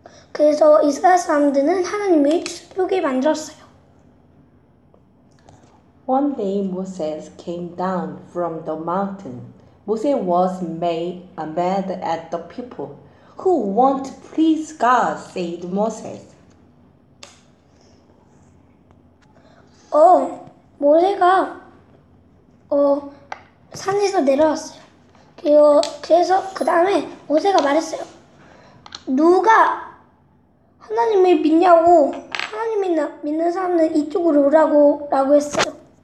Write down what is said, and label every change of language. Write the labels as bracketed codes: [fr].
[ko] 그래서 이스라엘 사람들은 하느님을 슬프게 만들었어요. [en] One day Moses came down from the mountain. Moses was mad at the people who won't please God, said Moses. [ko] 모세가 산에서 내려왔어요. 그래서 그 다음에 모세가 말했어요. 누가 하나님을 믿냐고, 믿는 사람은 이쪽으로 오라고 라고 했어요.